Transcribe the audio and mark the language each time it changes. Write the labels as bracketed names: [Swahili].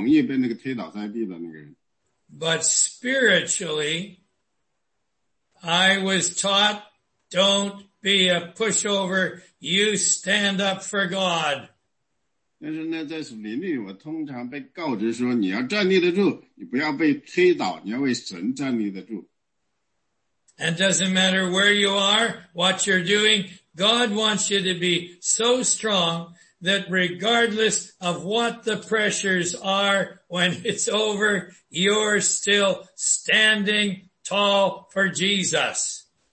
[Chinese] 那时候我理解这个，因为当我是个小男孩时，我通常就是那个最小的，通常我是最容易被那个推倒在地的那个人。 [English] But spiritually, I was taught, don't be a pushover, you stand up for God. [Chinese] 但是呢，在林里，我通常被告知说，你要站立得住，你不要被推倒，你要为神站立得住。 [English] And doesn't matter where you are, what you're doing, God wants you to be so strong that regardless of what the pressures are, when it's over, you're still standing tall for Jesus.